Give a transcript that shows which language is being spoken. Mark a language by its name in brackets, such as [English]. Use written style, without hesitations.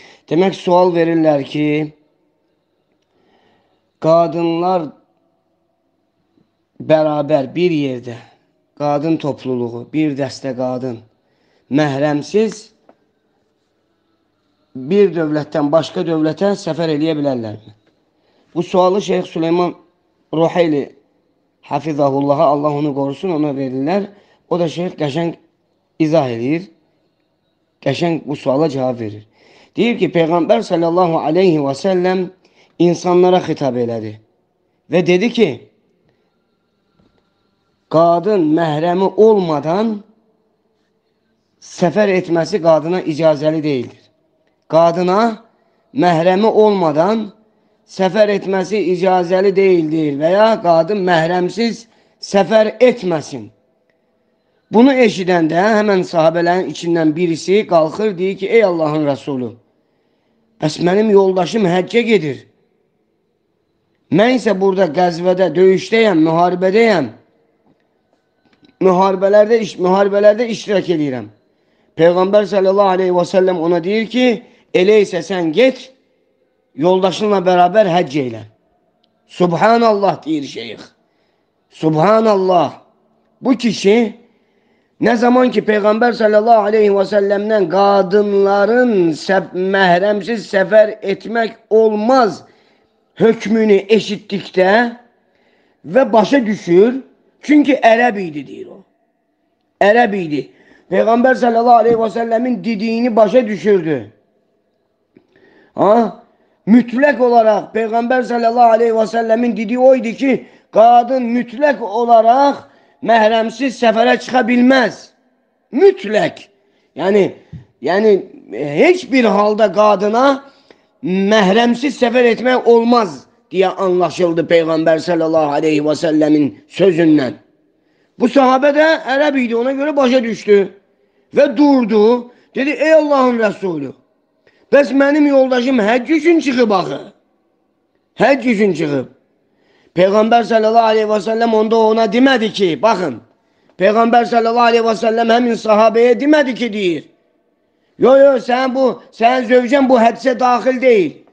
[Turkish] Demek sual verirler ki kadınlar beraber bir yerde kadın topluluğu bir deste kadın mehremsiz bir devletten başka devlete sefer edebilirler mi? Bu sualı Şeyh Süleyman Ruheyli Hafizahullah'a, Allah onu korusun, ona verirler. [Azerbaijani] O da şey qəşəng izah edir. Qəşəng bu suala cavab verir. Deyir ki, Peyğəmbər sallallahu aleyhi ve sellem insanlara xitab elədi. Və dedi ki, qadın məhrəmi olmadan səfər etməsi qadına icazəli deyildir. Qadına məhrəmi olmadan səfər etməsi icazəli deyildir və ya qadın məhrəmsiz səfər etməsin. Bunu eşidəndə həmən sahabələrin içindən birisi qalxır, deyir ki, ey Allahın Rəsulu, bəs mənim yoldaşım həccə gedir. Mən isə burada qəzvədə, döyüşdəyəm, müharibədəyəm. Müharibələrdə iştirak edirəm. Peyğəmbər sallallahu aleyhi ve sellem ona deyir ki, elə isə sən get, yoldaşınla bərabər həcc elə. Subhanallah deyir şeyx. Subhanallah. [Turkish] Bu kişi ne zaman ki Peygamber sallallahu aleyhi ve sellem'den kadınların mehremsiz sefer etmek olmaz hükmünü eşittikte ve başa düşür. Çünkü Arap idi diyor o. Arap idi. Peygamber sallallahu aleyhi ve sellemin dediğini başa düşürdü. Ha? Mütlek olarak Peygamber sallallahu aleyhi ve sellemin dediği oydu ki kadın mütlek olarak mehremsiz sefere çıkabilmez. Mütlek. Yani hiçbir halda kadına mehremsiz sefer etmek olmaz diye anlaşıldı Peygamber sallallahu aleyhi ve sellemin sözünden. Bu sahabe de Arabiydi, ona göre başa düştü. Ve durdu. Dedi ey Allah'ın Resulü. [Azerbaijani] Bəs mənim yoldaşım həcc üçün çıxıb axı. Həcc üçün çıxıb. Peyğəmbər sallallahu aleyhi ve sellem onda ona demədi ki, baxın. Peyğəmbər sallallahu aleyhi ve sellem həmin sahabeye demədi ki, deyir. Yo, sən zövcən bu hədisə daxil deyil.